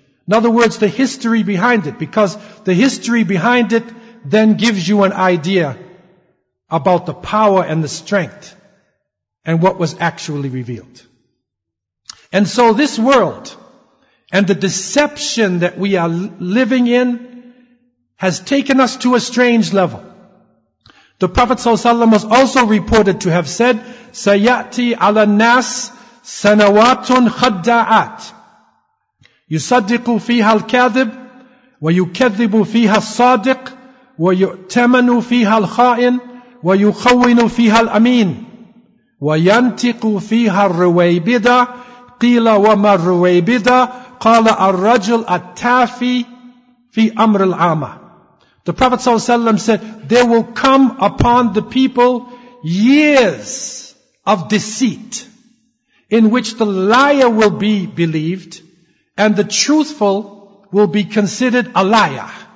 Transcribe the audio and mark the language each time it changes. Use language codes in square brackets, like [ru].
[en] In other words, the history behind it, because the history behind it then gives you an idea about the power and the strength and what was actually revealed. And so this world and the deception that we are living in has taken us to a strange level. The Prophet ﷺ was also reported to have said, [ar] سَيَأْتِي عَلَى النَّاسِ سَنَوَاتٌ خَدَّاعَاتٍ يُصَدِّقُ فِيهَا الْكَاذِبُ وَيُكَذِّبُ فِيهَا الصَّادِقُ وَيُؤْتَمَنُ فِيهَا الْخَائِنُ وَيُخَوِّنُ فِيهَا الْأَمِينُ. وينطق فيها الرويبدة قيل وما الرويبدة قال الرجل التافي في أمر العامة. [en] The Prophet ﷺ said, there will come upon the people years of deceit in which the liar will be believed and the truthful will be considered a liar.